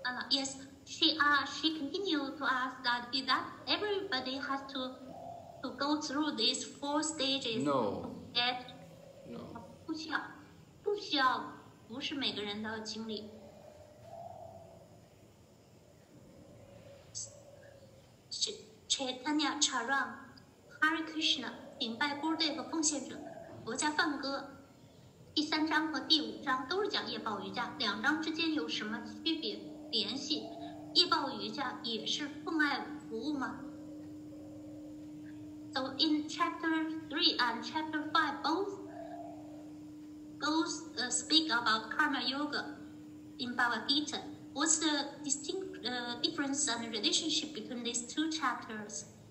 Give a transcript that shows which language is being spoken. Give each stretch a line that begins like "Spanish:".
English: Yes, she continued to ask that is that everybody has to go through these four stages. No. Yet. No.
Chinese: 不需要，不是每个人都要经历。 Chaitanya Charan, Hare Krishna, 顶拜波队和奉献者，佛家梵歌。第三章和第五章都是讲业报瑜伽，两章之间有什么区别联系？业报瑜伽也是奉爱服务吗？
English: So in chapter 3 and chapter 5 both speak about karma yoga in Bhagavad Gita. What's the distinct difference and relationship between these two chapters?